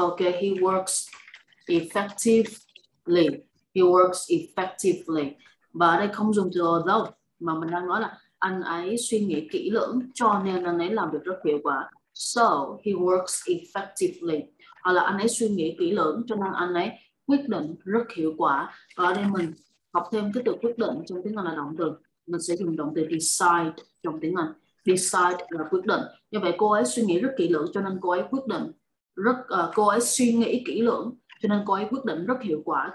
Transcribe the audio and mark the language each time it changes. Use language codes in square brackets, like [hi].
[en] Okay, he works effectively. He works effectively. [vi] Và ở đây không dùng từ although. Mà mình đang nói là anh ấy suy nghĩ kỹ lưỡng cho nên anh ấy làm việc rất hiệu quả. [en] So he works effectively. [vi] Hoặc là anh ấy suy nghĩ kỹ lưỡng cho nên anh ấy quyết định rất hiệu quả. Và ở đây mình học thêm cái từ quyết định trong tiếng Anh là động từ. Mình sẽ dùng động từ decide trong tiếng Anh. Decide là quyết định. Như vậy cô ấy suy nghĩ rất kỹ lưỡng cho nên cô ấy quyết định rất cô ấy suy nghĩ kỹ lưỡng cho nên cô ấy quyết định rất hiệu quả.